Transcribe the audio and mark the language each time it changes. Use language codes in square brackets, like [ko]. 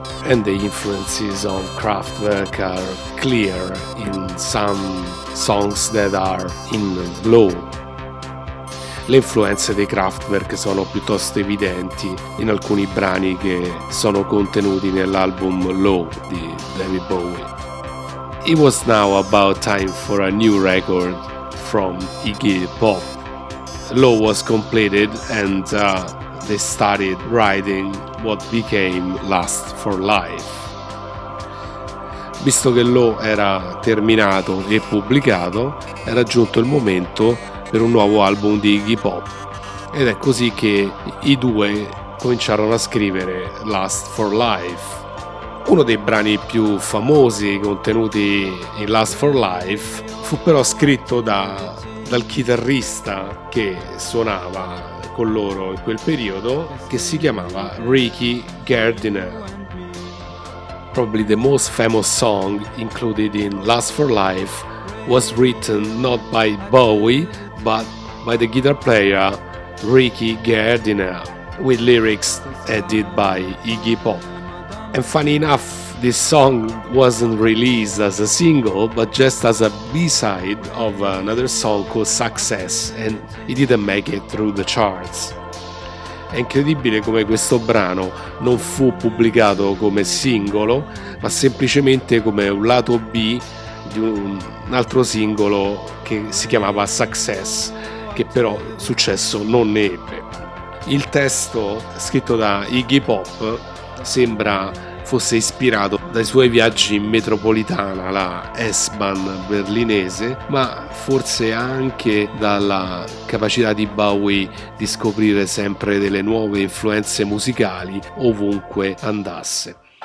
[en] And the influences of Kraftwerk are clear in some songs that are in slow. [it] Le influenze dei Kraftwerk sono piuttosto evidenti in alcuni brani che sono contenuti nell'album Low di David Bowie. [en] It was now about time for a new record from Iggy Pop. Low was completed and they started writing what became Lust for Life. [it] Visto che Low era terminato e pubblicato, era giunto il momento per un nuovo album di Iggy Pop. Ed è così che i due cominciarono a scrivere Lust for Life. Uno dei brani più famosi contenuti in Lust for Life fu però scritto dal chitarrista che suonava con loro in quel periodo, che si chiamava Ricky Gardiner. [en] Probably the most famous song included in Lust for Life was written not by Bowie but by the guitar player Ricky Gardiner, with lyrics added by Iggy Pop. And funny enough, this song wasn't released as a single but just as a B-side of another song called Success, and it didn't make it through the charts. [it] È incredibile come questo brano non fu pubblicato come singolo ma semplicemente come un lato B di un altro singolo che si chiamava Success, che però successo non ne ebbe. Il testo scritto da Iggy Pop sembra fosse ispirato dai suoi viaggi in metropolitana, la S-Bahn berlinese, ma forse anche dalla capacità di Bowie di scoprire sempre delle nuove influenze musicali ovunque andasse.